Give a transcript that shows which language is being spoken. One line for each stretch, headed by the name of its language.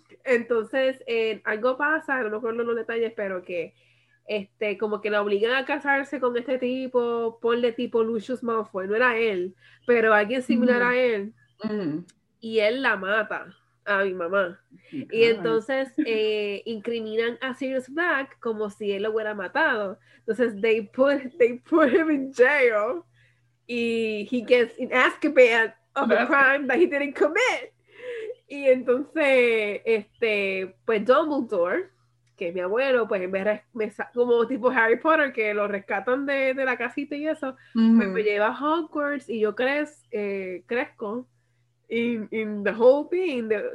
Spanish: Entonces, algo pasa, no me acuerdo los detalles, pero que como que la obligan a casarse con este tipo, ponle tipo Lucius Malfoy, no era él, pero alguien similar mm-hmm. a él, mm-hmm. y él la mata a mi mamá. Y entonces incriminan a Sirius Black como si él lo hubiera matado.
English: Entonces, they put him in jail, y he gets in Azkaban of a crime that he didn't commit.
Spanish: Y entonces, pues Dumbledore, que es mi abuelo, pues me como tipo Harry Potter, que lo rescatan de la casita y eso, mm-hmm. pues me lleva a Hogwarts y yo crezco
English: in the whole thing.